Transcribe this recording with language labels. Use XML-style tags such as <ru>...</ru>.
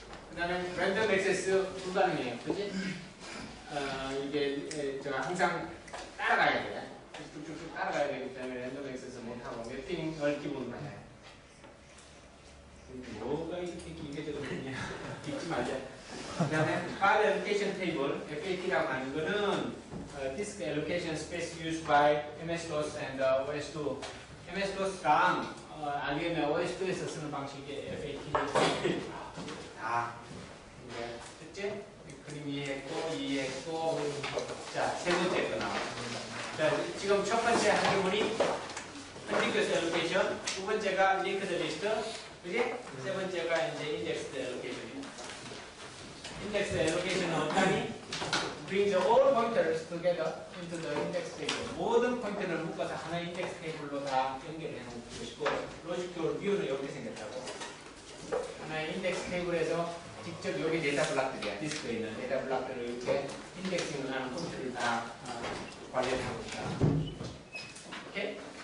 <ko>그 다음에 랜덤 액세스 불가능해요. 그치? 이게 제가 항상 따라가야 돼. 쭉쭉쭉 따라가야 되기 때문에 랜덤 액세스 못하고 매핑을 기본으로 해. 뭐가 이렇게 기계적으로 되냐. 듣지 말자. 그다음에 파일</ko> <en>allocation table FAT라고</en> <ko>하는 거는</ko> <en>disk allocation space used by MS-DOS and OS2.</en> <ko>MS-DOS랑 아니면 OS2에서 쓰는 방식의 FAT. 아, 이제 첫째 그림 이해했고 이해했고 자 세 번째 거 나왔습니다. 자 지금 첫 번째 하는 분이 Contiguous allocation, 두 번째가 linked list, 그지? 세 번째가 이제 indexed allocation. Index allocation은 어떠니?</ko> <en>Bring the all pointers together into the index table.</en> <ko>모든 포인트를 묶어서 하나의 index table로 다 연결해 놓은 것이고, logical view는 이렇게 생겼다고. 하나의 index table에서 직접 여기 데이터 블록들이야. 디스크에 있는 데이터 블록들을 이렇게 indexing을 하는 포인트를 다 관리하고 있다. 오케이?</ko>